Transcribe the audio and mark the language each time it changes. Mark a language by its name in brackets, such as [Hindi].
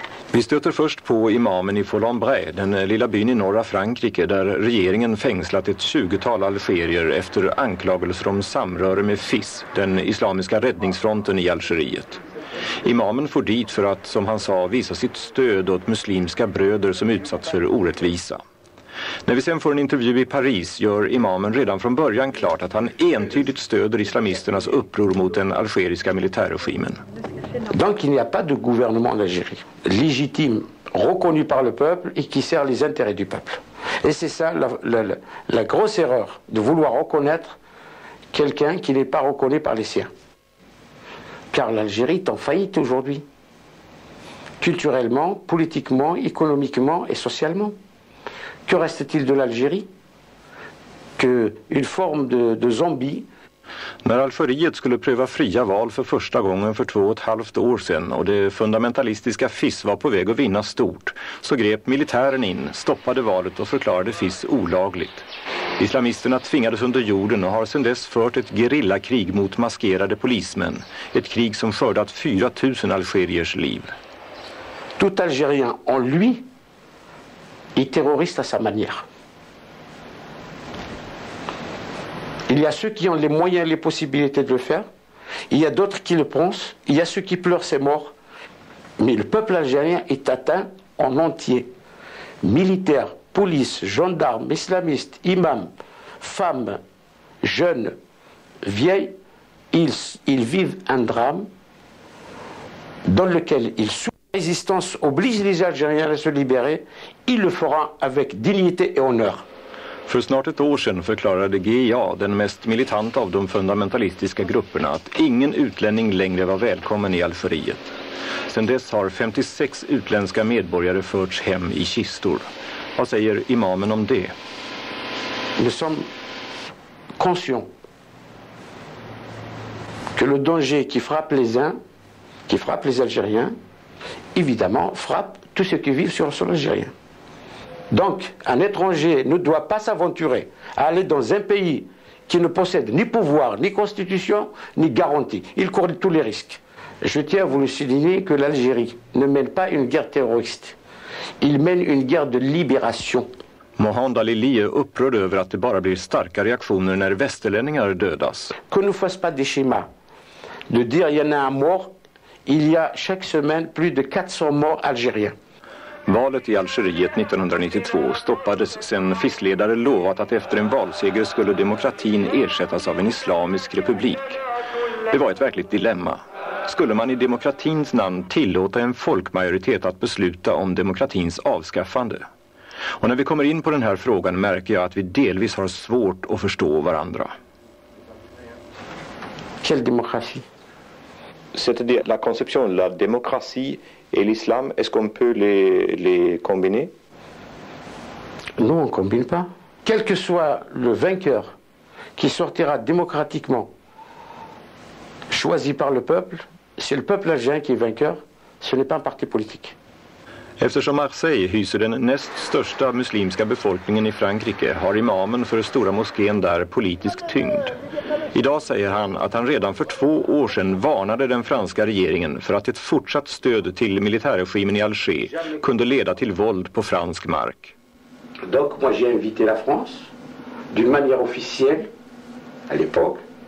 [Swedish] Vi stöter först på imamen i Folombre, den lilla byn i norra Frankrike där regeringen fängslat ett 20-tal algerier efter anklagelser om samröre med FIS, den islamiska räddningsfronten i Algeriet. Imamen får dit för att, som han sa, visa sitt stöd åt muslimska bröder som utsatts för orättvisa. När vi sen får en intervju i Paris gör imamen redan från början klart att han entydigt stöder islamisternas uppror mot den algeriska militärregimen. [French] Donc il n'y a pas de gouvernement en Algérie, légitime, reconnu par le peuple et qui sert les intérêts du peuple. Et c'est ça la grosse erreur de vouloir reconnaître quelqu'un qui n'est pas reconnu par les siens. Car l'Algérie est en faillite aujourd'hui, culturellement, politiquement, économiquement et socialement. Que reste-t-il de l'Algérie? Que une forme de zombie. [Swedish] När Algeriet skulle pröva fria val för första gången för 2,5 år sedan och det fundamentalistiska FIS var på väg att vinna stort, så grep militären in, stoppade valet och förklarade FIS olagligt. Islamisterna tvingades under jorden och har sedan dess fört ett gerillakrig mot maskerade polismän. Ett krig som skördat 4 000 algeriers liv. [French] Tout algérien en lui est terroriste à sa manière. Il y a ceux qui ont les moyens et les possibilités de le faire. Il y a d'autres qui le pensent. Il y a ceux qui pleurent ses morts. Mais le peuple algérien est atteint en entier. Militaires, police, gendarmes, islamistes, imams, femmes, jeunes, vieilles, ils vivent un drame dans lequel ils souffrent. La résistance oblige les Algériens à se libérer. Il le fera avec dignité et honneur. [Swedish] För snart ett år sedan förklarade GIA, den mest militanta av de fundamentalistiska grupperna, att ingen utlänning längre var välkommen i Algeriet. Sedan dess har 56 utländska medborgare förts hem i kistor. Vad säger imamen om det? Vi är [French] conscients que le danger qui frappe les uns, qui frappe les Algériens, évidemment frappe tous ceux qui vivent sur le sol algérien. Donc, un étranger ne doit pas s'aventurer à aller dans un pays qui ne possède ni pouvoir, ni constitution, ni garantie. Il court tous les risques. Je tiens à vous le souligner que l'Algérie ne mène pas une guerre terroriste. Il mène une guerre de libération. [Swedish] Mohand Alili är upprörd över att det bara blir starka reaktioner när västerlänningar dödas. [French] Que ne fasse pas des schémas de dire il y en a un mort, il y a chaque semaine plus de 400 morts algériens. [Swedish] Valet i Algeriet 1992 stoppades sedan FIS-ledare lovat att efter en valseger skulle demokratin ersättas av en islamisk republik. Det var ett verkligt dilemma. Skulle man i demokratins namn tillåta en folkmajoritet att besluta om demokratins avskaffande? Och när vi kommer in på den här frågan märker jag att vi delvis har svårt att förstå varandra. [French] Quel demokrati? C'était la conception de la démocratie et l'islam, est-ce qu'on peut les combiner? Non, on ne combine pas. Quel que soit le vainqueur qui sortira démocratiquement, choisi par le peuple, c'est le peuple algérien qui est vainqueur, ce n'est pas un parti politique. [Swedish] Eftersom Marseille hyser den näst största muslimska befolkningen i Frankrike har imamen för stora moskén där politisk tyngd. Idag säger han att han redan för 2 år sedan varnade den franska regeringen för att ett fortsatt stöd till militärregimen i Alger kunde leda till våld på fransk mark. [French] Donc moi j'ai invité la France d'une manière officielle à l'époque.